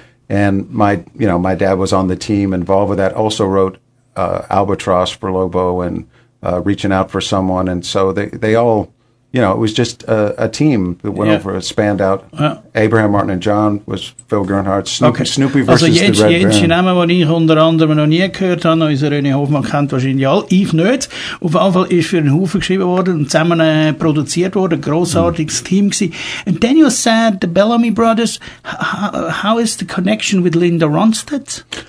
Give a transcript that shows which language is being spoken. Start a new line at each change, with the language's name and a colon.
English: And my dad was on the team involved with that. Also wrote Albatross for Lobo and Reaching Out for Someone, and so they all, you know, it was just a team that went over, spanned out. Yeah. Abraham Martin and John was Phil Gernhardt, Snoopy versus
German: also jetzt,
English: the Red Baron.
German: Also jetzt Namen, die ich unter anderem noch nie gehört habe, unser René Hofmann kennt wahrscheinlich alle, ich nicht. Auf jeden Fall ist für einen Haufen geschrieben worden und zusammen produziert worden, ein grossartiges Team gewesen.
English: And then you said the Bellamy Brothers, how is the connection with Linda Ronstadt?